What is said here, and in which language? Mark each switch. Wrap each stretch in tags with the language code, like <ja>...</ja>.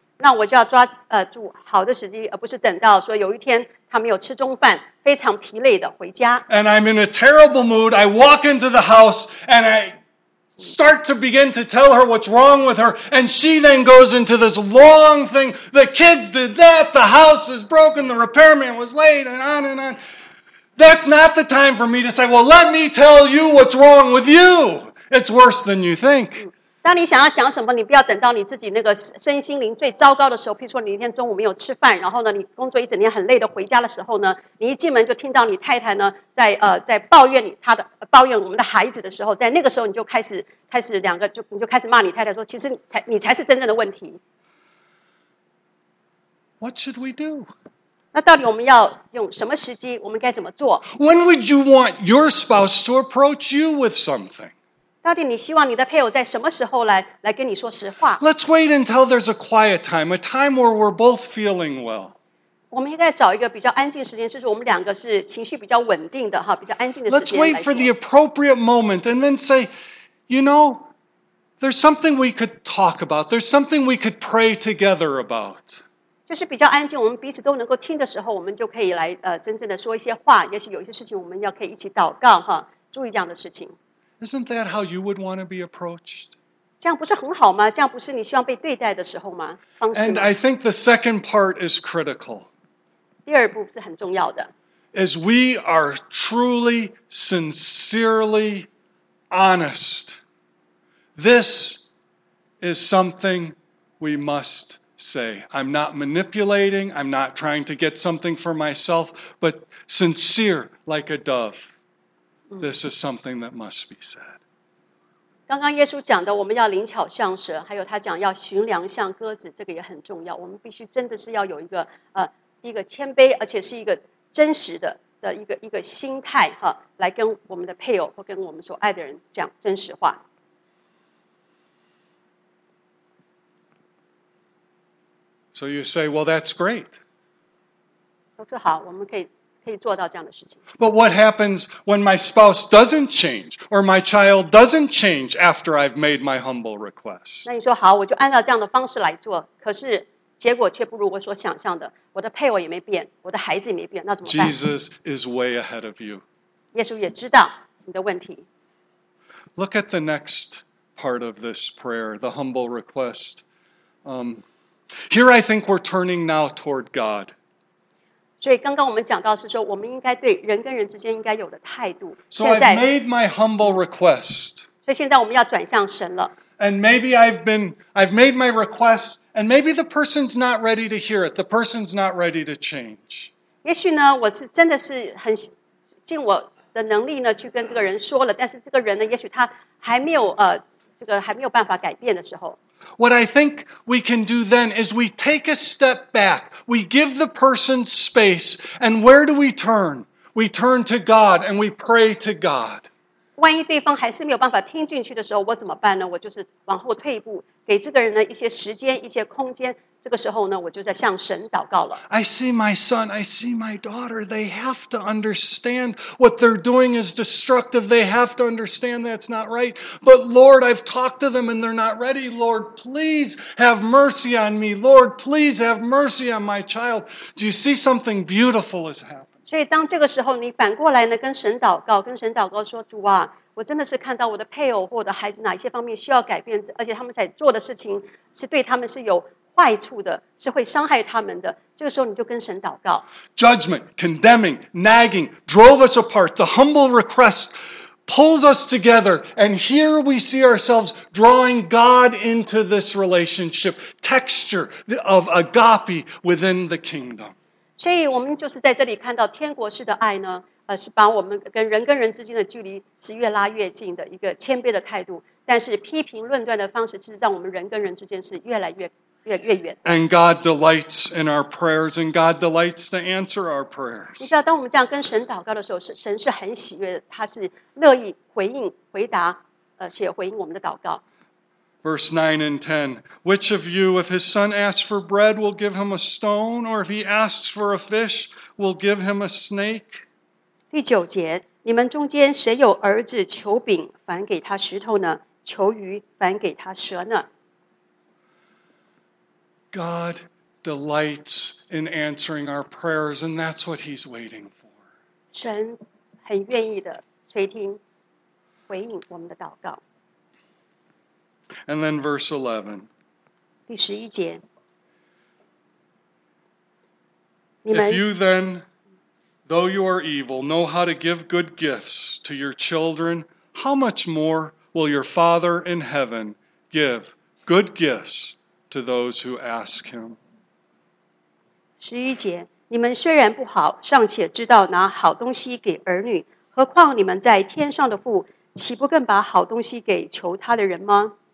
<zh>那我就要抓住好的时机，而不是等到说有一天他没有吃中饭，非常疲累的回家。</zh> <en>And I'm in a terrible mood. I walk into the house and I start to begin to tell her what's wrong with her, and she then goes into this long thing. The kids did that. The house is broken. The repairman was late, and on and on. That's not the time for me to say, well, let me tell you what's wrong with you. It's worse than you think.</en> <zh>当你想要讲什么，你不要等到你自己那个身心灵最糟糕的时候，譬如说你一天中午没有吃饭，然后呢，你工作一整天很累的回家的时候呢，你一进门就听到你太太呢，在抱怨你，她的抱怨我们的孩子的时候，在那个时候你就开始两个就你就开始骂你太太说，其实你才是真正的问题。</zh> <en>What should we do?</en> <zh>那到底我们要用什么时机？我们该怎么做</zh> <en>？When would you want your spouse to approach you with something？</en> <zh>到底你希望你的配偶在什么时候来跟你说实话</zh> <en>？Let's wait until there's a quiet time, a time where we're both feeling well.</en> <zh>我们应该找一个比较安静的时间，就是我们两个是情绪比较稳定的哈，比较安静的时间。</zh> <en>Let's wait for the appropriate moment and then say, you know, there's something we could talk about. There's something we could pray together about.</en> <zh>就是比较安静，我们彼此都能够听的时候，我们就可以来真正的说一些话。也许有一些事情，我们要可以一起祷告哈，注意这样的事情。</zh> <en>Isn't that how you would want to be approached?</en> <zh>这样不是很好吗？这样不是你希望被对待的时候吗？方式吗</zh> <en>？And I think the second part is critical.</en> <zh>第二步是很重要的。</zh> <en>As we are truly, sincerely honest, this is something we must. Say, I'm not manipulating, I'm not trying to get something for myself, but sincere like a dove, this is something that must be said.</en> <zh>刚刚耶稣讲的我们要灵巧像蛇，还有他讲要寻良像鸽子，这个也很重要，我们必须真的是要有一个谦卑，而且是一个真实的一个心态哈，来跟我们的配偶或跟我们所爱的人讲真实话。</zh> <en>So you say, well, that's great.</en> <zh>都是好，我们可以做到这样的事情。</zh> <en>But what happens when my spouse doesn't change, or my child doesn't change after I've made my humble request?</en> <zh>那你说好，我就按照这样的方式来做，可是结果却不如我所想象的。我的配偶也没变，我的孩子也没变，那怎么办</zh> <en>？Jesus is way ahead of you.</en> <zh>耶稣也知道你的问题。</zh> <en>Look at the next part of this prayer, the humble request. Here I think we're turning now toward God.</en> <zh>所以刚刚我们讲到是说，我们应该对人跟人之间应该有的态度。</zh> <en>So I've made my humble request.</en> <zh>所以现在我们要转向神了。</zh> <en>And maybe I've made my request, and maybe the person's not ready to hear it. The person's not ready to change.</en> <zh>也许呢，我是真的是很尽我的能力呢去跟这个人说了，但是这个人呢，也许他还没有这个还没有办法改变的时候。</zh> <en>What I think we can do then is we take a step back. We give the person space. And where do we turn? We turn to God and we pray to God.</en> <zh>万一对方还是没有办法听进去的时候，我怎么办呢？我就是往后退一步，给这个人呢一些时间，一些空间。这个时候呢，我就在向神祷告了。</zh> <en>I see my son, I see my daughter. They have to understand what they're doing is destructive. They have to understand that's not right. But Lord, I've talked to them and they're not ready. Lord, please have mercy on me. Lord, please have mercy on my child. Do you see something beautiful has happened?</en> <zh>所以当这个时候，你反过来呢，跟神祷告，跟神祷告说，主啊。我真的是看到我的配偶或我的孩子哪些方面需要改变，而且他们在做的事情是对他们是有坏处的，是会伤害他们的。这个时候你就跟神祷告。</zh> <en>Judgment, condemning, nagging drove us apart. The humble request pulls us together, and here we see ourselves drawing God into this relationship, texture of agape within the kingdom.</en> <zh>所以我们就是在这里看到天国式的爱呢。是把我们跟人跟人之间的距离是越拉越近的一个谦卑的态度，但是批评论断的方式其实让我们人跟人之间是越来越远。</zh> <en>And God delights in our prayers, and God delights to answer our prayers.</en> <zh>你知道，当我们这样跟神祷告的时候，神是很喜悦的，他是乐意回应、回答，且回应我们的祷告。</zh> <en>Verse 9 and 10, which of you, if his son asks for bread, will give him a stone, or if he asks for a fish, will give him a snake?</en> <zh>第九节，你们中间谁有儿子求饼，反给他石头呢？求鱼，反给他蛇呢</zh> <en>？God delights in answering our prayers, and that's what He's waiting for.</en> <zh>神很愿意的垂听、回应我们的祷告。</zh> <en>And then verse 11.</en> <zh>第十一节，你们。</zh> <en>If you then Though you are evil, know how to give good gifts to your children. How much more will your Father in heaven give good gifts to those who ask him?</en> <zh>十一节，你们虽然不好，尚且知道拿好东西给儿女，何况你们在天上的父，岂不更把好东西给求他的人吗？</zh>